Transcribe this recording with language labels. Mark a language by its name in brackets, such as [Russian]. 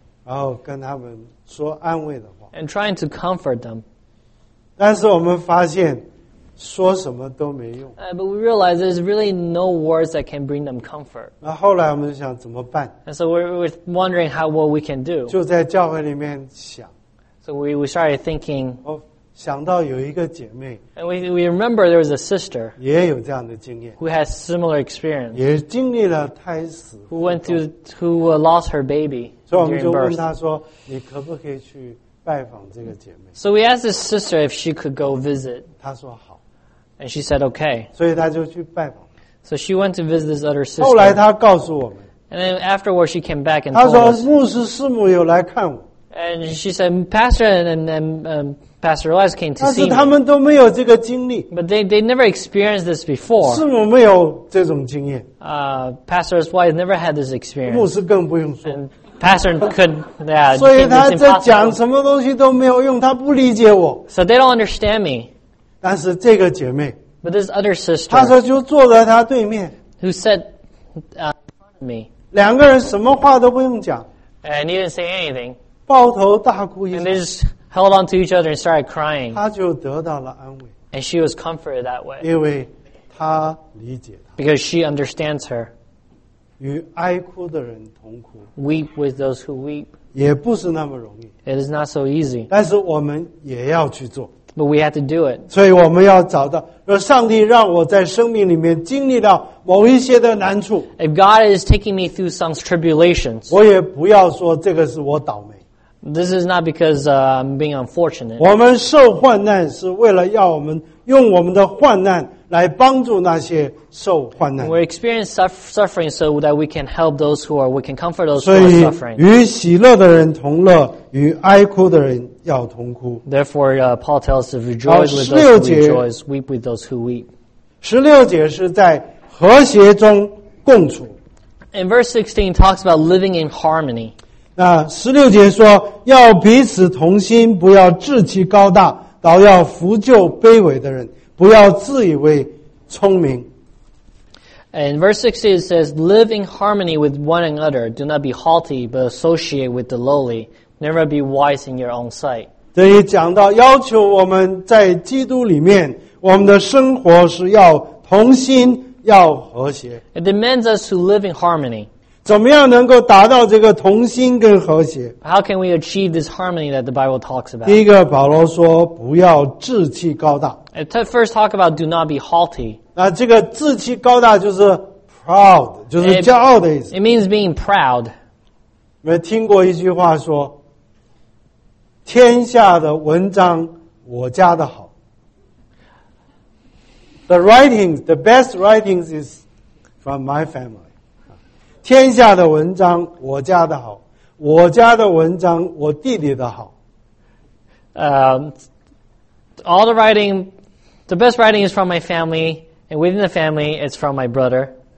[Chinese] 然后跟他们说安慰的话。 [English] And trying to comfort them. [Chinese] 但是我们发现。说什么都没用。 [English] But we realize there's really no words that can bring them comfort. [Chinese] 那后来我们就想怎么办 [English] ？And so we're wondering what we can do. [Chinese] 就在教会里面想。 [English] So we started thinking. [Chinese] 哦，想到有一个姐妹。 [English] And we remember there was a sister. [Chinese] 也有这样的经验。 [English] Who had similar experience. [Chinese] 也经历了胎死。 [English] Who went through who lost her baby. [Chinese] 所以我们就问她说：“你可不可以去拜访这个姐妹 [English] ？”So we asked the sister if she could go visit. [Chinese] 她说好。 [English] And she said, okay. [Chinese] 所以她就去拜访。 [English] So she went to visit this other sister. [Chinese] 后来她告诉我们。 [English] And then afterwards she came back and [Chinese] 她说牧师师母有来看我。 [English] And she said, Pastor and Pastor Les came to see me. [Chinese] 但是他们都没有这个经历。 [English] But they never experienced this before. [Chinese] 师母没有这种经验。 [English] Pastor's wife never had this experience. [Chinese] 牧师更不用说。 [English] And Pastor couldn't, yeah, [Chinese] 所以他在讲什么东西都没有用，他不理解我。 [English] So they don't understand me. [Chinese] 但是这个姐妹 [English] But this other sister, [Chinese] 她说就坐在她对面 [English] who said, me, [Chinese] 两个人什么话都不用讲 [English] and he didn't say anything, [Chinese] 抱头大哭一 [English] 声 and they just held on to each other and started crying. [Chinese] 她就得到了安慰 [English] and she was comforted that way. [Chinese] 因为她理解她。 [English] Because she understands her. [Chinese] 与哀哭的人同哭。 [English] Weep with those who weep. [Chinese] 也不是那么容易。 [English] It is not so easy. [Chinese] 但是我们也要去做。 [English] But we have to do it. [Chinese] 所以我们要找到，若上帝让我在生命里面经历到某一些的难处。 [English] If God is taking me through some tribulations. [Chinese] 我也不要说这个是我倒霉。 [English] This is not because I'm being unfortunate. [Chinese] 我们受患难是为了要我们用我们的患难来帮助那些受患难。 [English] We experience suffering so that we can help those who are, we can comfort those who are suffering. [Chinese] 与喜乐的人同乐，与哀哭的人要同哭。 [English] Therefore, Paul tells us to rejoice with those who rejoice, weep with those who weep. [Chinese] 16节是在和谐中共处。 [English] And verse 16 talks about living in harmony. [Chinese] 那16节说，要彼此同心，不要志气高大，倒要扶救卑微的人。不要自以为聪明。 [English] And verse 16 says, live in harmony with one another. Do not be haughty, but associate with the lowly. Never be wise in your own sight. [Chinese] 这里讲到要求我们在基督里面，我们的生活是要同心，要和谐。 [English] It demands us to live in harmony. [Chinese] 怎么样能够达到这个同心跟和谐？ [English] How can we achieve this harmony that the Bible talks about? [Chinese] 第一个，保罗说，不要志气高大。 [English] First, talk about do not be haughty. [Chinese] 那这个志气高大就是 proud, 就是骄傲的意思。 [English] It means being proud. [Chinese] 没听过一句话说，天下的文章我家的好。 [English] The writings, the best writings is from my family. [Chinese] 天下的文章我家的好，我家的文章我弟弟的好。 [English] All the writing. The best writing is from my family, and within the family, it's from my brother.